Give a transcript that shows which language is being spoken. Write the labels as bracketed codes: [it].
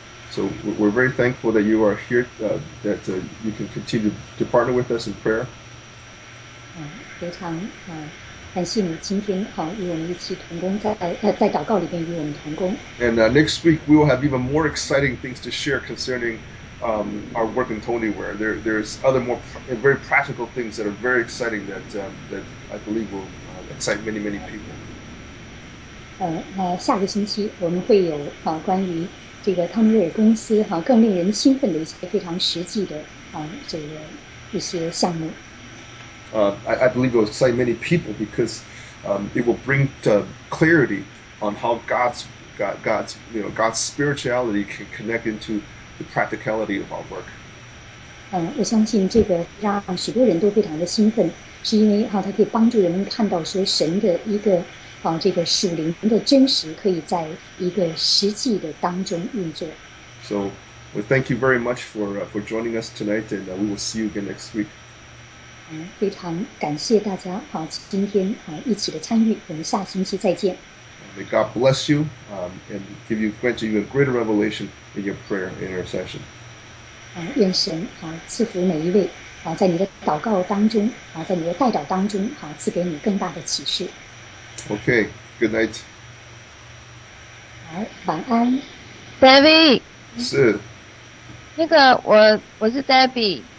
[en] So we're very thankful that you are here, that you can continue to partner with us in prayer. [zh] 非常感谢你今天好与我们一起同工在祷告里边与我们同工。 [en] And next week we will have even more exciting things to share concerning our work in Tonyware. There's other more very practical things that are very exciting that I believe will excite many, many people. [zh] 下个星期我们会有关于这个汤瑞尔公司更令人兴奋的一些非常实际的这个一些项目。 [en] I believe it will excite many people because it will bring clarity on how God's spirituality can connect into the practicality of our work. [zh] 我相信这个让许多人都非常的兴奋，是因为它可以帮助人们看到说神的一个这个属灵的真实可以在一个实际的当中运作。 [en] So we thank you very much for joining us tonight, and we will see you again next week. [zh] 非常感谢大家今天一起的参与，我们下星期再见。 [en] May God bless you, and give you grant you a greater revelation in your prayer and intercession. [zh] 愿神赐福每一位在你的祷告当中在你的代祷当中赐给你更大的启示。 [en] Okay, good night. [zh] 好，晚安。 Debbie。是。那个我是 Debbie。